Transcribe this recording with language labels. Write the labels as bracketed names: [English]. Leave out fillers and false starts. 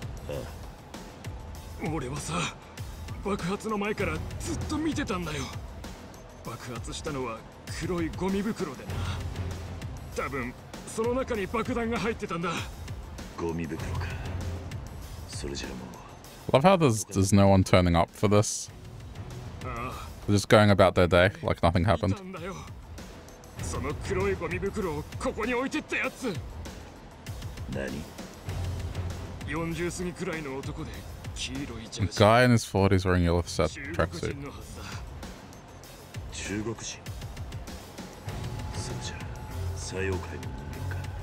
[Japanese] ああ、俺はさ、爆発の前からずっと見てたんだよ。爆発したのは黒いゴミ袋でな。多分その中に爆弾が入ってたんだ。ゴミ袋か。それじゃあもう。 [English] Love how there's no one turning up for this. ああ、 just going about their day like nothing happened. [Japanese] 見たんだよ。その黒いゴミ袋をここに置いてったやつ。何？ 40過ぎくらいの男で黄色いジャ [English] ージ。Guy in his 40s wearing yellow set tracksuit. [Japanese] 中国人のはずだ。中国人？そうじゃ、最妖怪の人間か。